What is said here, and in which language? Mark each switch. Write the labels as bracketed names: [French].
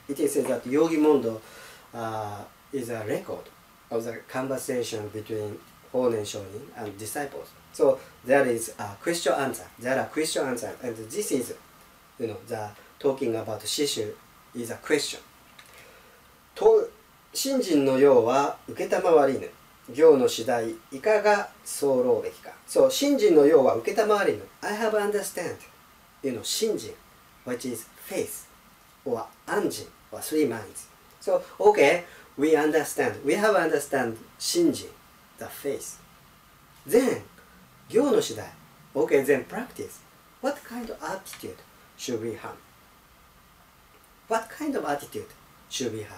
[English] It is said that Yōgi Mondo is a record of the conversation between Hōden Shōnin and disciples. So there is a question answer. There are question answers. And this is, you know, the talking about Shishu is a question. [Japanese] と、信心の要は受けたまわりぬ。行の次第、いかが候ろうべきか。 So, 信心の要は受けたまわりぬ。 [English] I have understand. You know, 信心 which is faith, or 安心 or three minds. So, okay, we understand. We have understand 信心 the faith. Then, [Japanese] 行の次第 [English] Okay, then practice. What kind of attitude should we have? What kind of attitude should we have?